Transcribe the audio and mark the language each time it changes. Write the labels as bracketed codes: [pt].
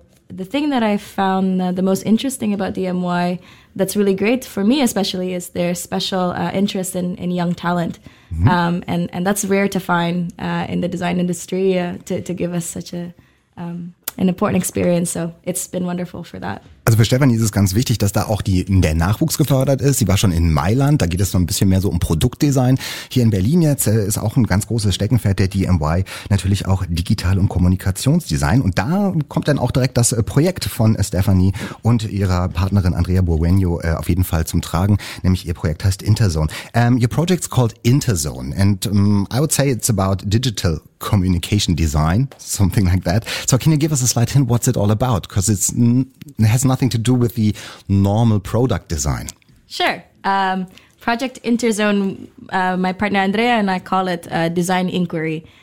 [en] The thing that I found the most interesting about DMY that's really great for me especially is their special interest in young talent. Mm-hmm. And that's rare to find in the design industry to give us such an important experience. So it's been wonderful for that. [de] Also für Stephanie ist es ganz wichtig, dass da auch der Nachwuchs gefördert ist. Sie war schon in Mailand, da geht es noch ein bisschen mehr so um Produktdesign. Hier in Berlin jetzt ist auch ein ganz großes Steckenpferd der DMY, natürlich auch Digital- und Kommunikationsdesign. Und da kommt dann auch direkt das Projekt von Stephanie und ihrer Partnerin Andrea Bueno auf jeden Fall zum Tragen, nämlich ihr Projekt heißt Interzone. [en] Your project's called Interzone and I would say it's about digital communication design, something like that. So can you give us a slight hint, what's it all about? Because it has nothing to do with the normal product design. Sure. Project Interzone, my partner Andrea and I call it a design inquiry.